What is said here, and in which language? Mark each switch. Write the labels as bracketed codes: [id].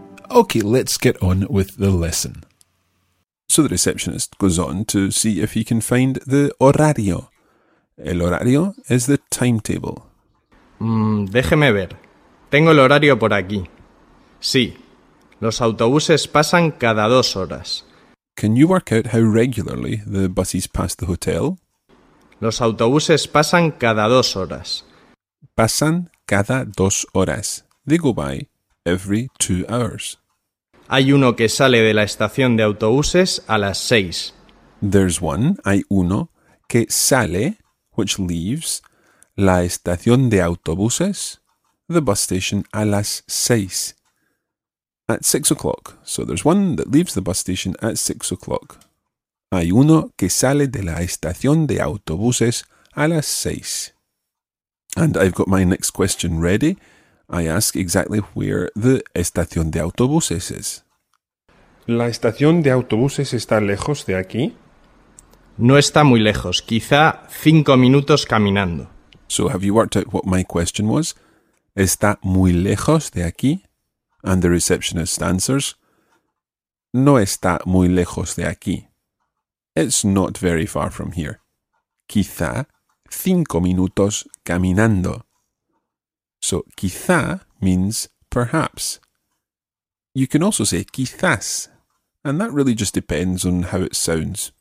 [en] Okay, let's get on with the lesson. So the receptionist goes on to see if he can find the horario. El horario is the timetable. [es] Déjeme ver. Tengo el horario por aquí. Sí, los autobuses pasan cada 2 horas. [en] Can you work out how regularly the buses pass the hotel? [es] Los autobuses pasan cada 2 horas. Pasan cada 2 horas. [en] They go by every 2 hours. [es] Hay uno que sale de la estación de autobuses a las 6. [en] There's one. [es] Hay uno que sale, [en] which leaves, [es] la estación de autobuses, [en] the bus station, [es] a las 6. [en] At 6 o'clock. So there's one that leaves the bus station at 6 o'clock. [es] Hay uno que sale de la estación de autobuses a las 6. [en] And I've got my next question ready. I ask exactly where the [es] estación de autobuses [en] is. [es] ¿La estación de autobuses está lejos de aquí? No está muy lejos, quizá 5 minutos caminando. [en] So have you worked out what my question was? [es] ¿Está muy lejos de aquí? [en] And the receptionist answers, [es] no está muy lejos de aquí. [en] It's not very far from here. [es] Quizá 5 minutos caminando. [en] So, quizá means perhaps. You can also say quizás, and that really just depends on how it sounds.